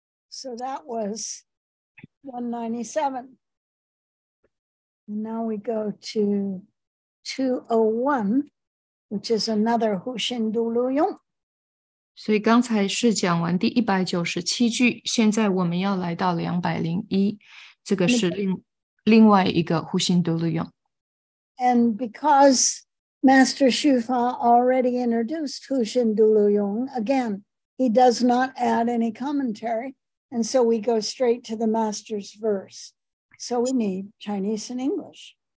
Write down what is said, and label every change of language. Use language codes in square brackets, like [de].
[en] So that was 197. Now we go to 201, which is another 虎心都录用。 [zh] 所以刚才是讲完第197句，现在我们要来到201，这个是另外一个虎心都录用。 [en] And because Master Shufa already introduced 虎心都录用, again, he does not add any commentary. And so we go straight to the master's verse. So we need Chinese and English.